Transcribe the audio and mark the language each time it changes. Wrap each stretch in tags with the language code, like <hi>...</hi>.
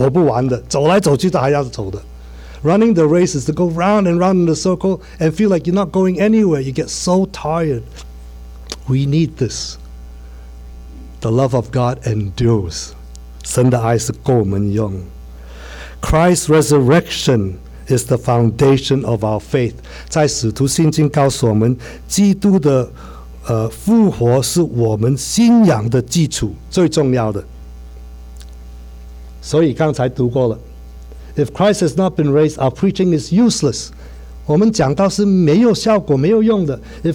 <zh>他就好像那个车，以前我讲过，在那个跑车，一直走圈，一直走圈，走不完的，走来走去都还要走的。</zh> <en>Running the race is to go round and round in a circle and feel like you're not going anywhere. You get so tired. We need this. The love of God endures.</en> <zh>神的爱是够我们用。</zh> <en>Christ's resurrection is the foundation of our faith.</en> <zh>在使徒信经告诉我们，基督的 复活是我们信仰的基础，最重要的。所以刚才读过了。</zh> <en>If Christ has not been raised, our preaching is useless.</en> <zh>我们讲道是没有效果，没有用的。If</zh>